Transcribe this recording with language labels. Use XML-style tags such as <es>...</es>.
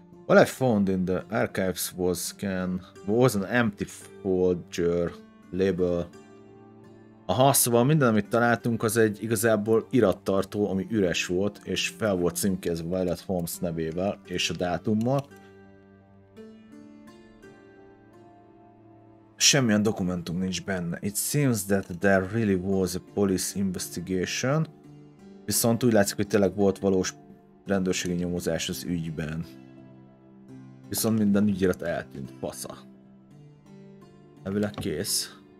<en>What I found in the archives was an empty folder label.</en> <hu>Aha, szóval minden, amit találtunk, az egy igazából irattartó, ami üres volt, és fel volt címkézve Violet Holmes nevével és a dátummal. Semmilyen dokumentum nincs benne.</hu> <en>It seems that there really was a police investigation.</en> <hu>Viszont úgy látszik, hogy tényleg volt valós rendőrségi nyomozás az ügyben. Viszont minden ügyirat eltűnt, fasza. Elvileg kész.</hu>